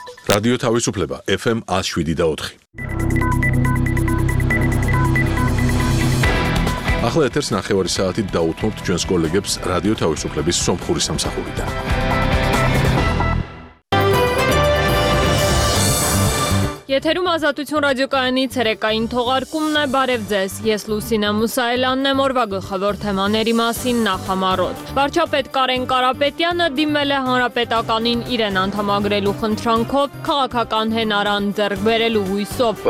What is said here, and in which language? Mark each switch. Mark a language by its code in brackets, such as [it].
[ka] Radio თავისუფლება FM 107.4. ახლა ეთერს 9:00 საათი დაუთმობთ ჩვენს კოლეგებს რადიო თავისუფლების სომხური სამსახურიდან. [hy] Եթերում Ազատություն ռադիոկայանի ցերեկային թողարկումն է, բարև ձեզ։ Ես Լուսինե Մուսայելյանն եմ օրվա գլխավոր թեմաների մասին նախամարոտ։ Վարչապետ Կարեն Կարապետյանը դիմել է հանրապետականին իրեն անդամագրելու խնդրանքով, քաղաքական հենարան ձեռք բերելու հույսով։